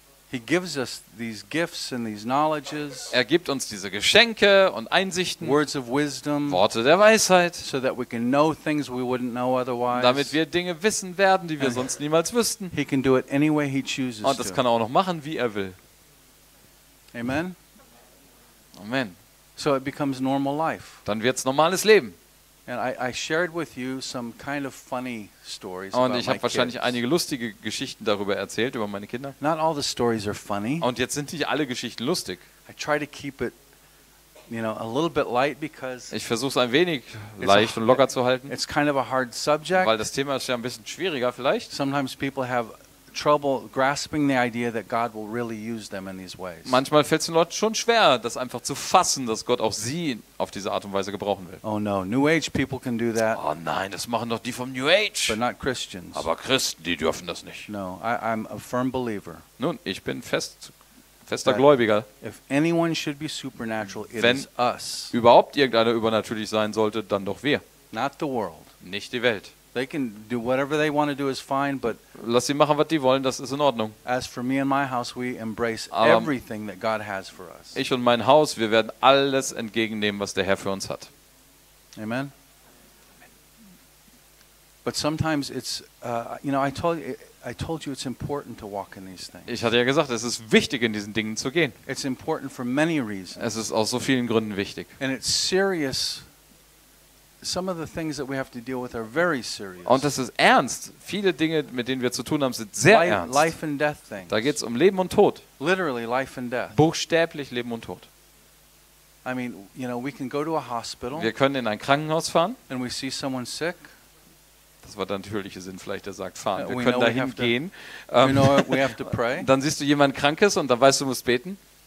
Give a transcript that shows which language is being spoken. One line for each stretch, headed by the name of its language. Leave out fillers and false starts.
English: He gives us these gifts and these knowledges.
German: Er gibt uns diese Geschenke und Einsichten.
English: Words of wisdom.
German: Worte der Weisheit.
English: So that we can know things we wouldn't know otherwise.
German: Damit wir Dinge wissen werden, die wir sonst niemals wüssten.
English: He can do it any way he chooses.
German: Und das kann er auch noch machen, wie er will.
English: Amen.
German: Amen.
English: So it becomes normal life.
German: Dann wird's normales Leben.
English: And I shared with you some kind of funny stories.
German: Und ich habe wahrscheinlich einige lustige Geschichten darüber erzählt über meine Kinder.
English: Not all the stories are funny.
German: Und jetzt sind nicht alle Geschichten lustig.
English: I try to keep it, you know, a little bit light because.
German: Ich versuche es ein wenig leicht und locker zu halten.
English: It's kind of a hard subject.
German: Weil das Thema ist ja ein bisschen schwieriger vielleicht.
English: Sometimes people have trouble grasping the idea that God will really use them in these ways.
German: Manchmal fällt es den Leuten schon schwer, das einfach zu fassen, dass Gott auch sie auf diese Art und Weise gebrauchen will.
English: Oh no, New Age people can do that.
German: Oh nein, das machen doch die vom New Age.
English: But not Christians.
German: Aber Christen, die dürfen das nicht.
English: No, I'm a firm believer.
German: Nun, ich bin fester Gläubiger.
English: If anyone should be supernatural, it is us.
German: Wenn überhaupt irgendeiner übernatürlich sein sollte, dann doch wir.
English: Not the world.
German: Nicht die Welt.
English: They can do whatever they want to do is fine, but
German: lass sie machen, was die wollen, das ist in Ordnung.
English: As for me and my house, we embrace everything that God has for us.
German: Ich und mein Haus, wir werden alles entgegennehmen, was der Herr für uns hat.
English: Amen. But sometimes it's you know, I told you it's important to walk in these things.
German: Ich hatte ja gesagt, es ist wichtig, in diesen Dingen zu gehen.
English: It's important for many reasons.
German: Es ist aus so vielen Gründen wichtig.
English: And it's serious. Some of the things that we have to deal with are very serious.
German: Und das ist ernst. Viele Dinge, mit denen wir zu tun haben, sind sehr ernst.
English: Life and death things.
German: Da geht's um Leben und Tod.
English: Literally life and death.
German: Buchstäblich Leben und Tod.
English: I mean, you know, we can go to a hospital.
German: Wir können in ein Krankenhaus fahren.
English: And we see someone sick.
German: Das war der natürliche Sinn, vielleicht, der sagt, fahren. Wir können dahin gehen. Dann siehst du jemanden Krankes und dann weißt du, du musst beten.